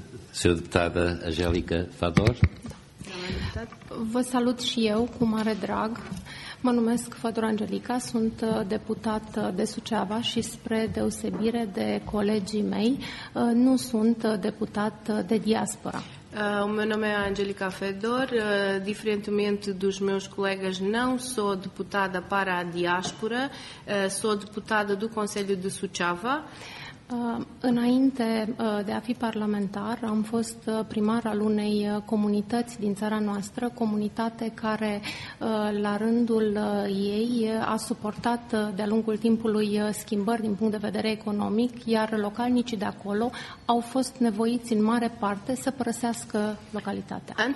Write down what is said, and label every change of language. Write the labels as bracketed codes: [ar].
[pt] Sra. Deputada Angélica Fador. [ro] Vă salut și eu cu mare drag. Mă numesc Fădor Angelica, sunt deputat de Suceava și spre deosebire de colegii mei, nu sunt deputat de diaspora. [pt] Meu nome é Angélica Fedor, diferentemente dos meus colegas, não sou deputada para a diáspora, sou deputada do Conselho de Suceava. [ro] Înainte de a fi parlamentar, am fost primar al unei comunități din țara noastră, comunitate care, la rândul ei, a suportat de-a lungul timpului schimbări din punct de vedere economic, iar localnicii de acolo au fost nevoiți în mare parte să părăsească localitatea.